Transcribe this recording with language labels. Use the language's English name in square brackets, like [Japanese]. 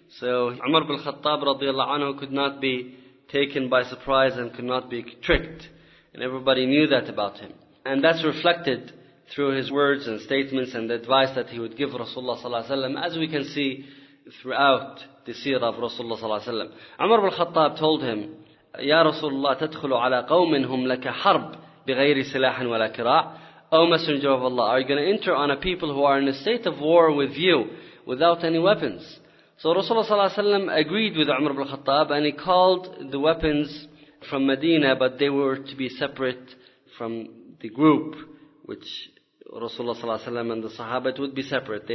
[English] So Umar ibn Khattab, radiallahu anhu, could not be taken by surprise and could not be tricked. And everybody knew that about him. And that's reflected through his words and statements and the advice that he would give Rasulullah sallallahu alayhi wa sallam, as we can see throughout the seerah of Rasulullah sallallahu alayhi wa sallam. Umar ibn Khattab told him, [Arabic] يا رسول الله تدخل على قوم هم لك حرب بغير سلاح ولا كراع. [English] O Messenger of Allah, are you going to enter on a people who are in a state of war with you without any weapons? So Rasulullah صلى الله عليه وسلم agreed with Umar ibn al-Khattab and he called the weapons from Medina, but they were to be separate from the group which Rasulullah صلى الله عليه وسلم and the Sahaba would be separate.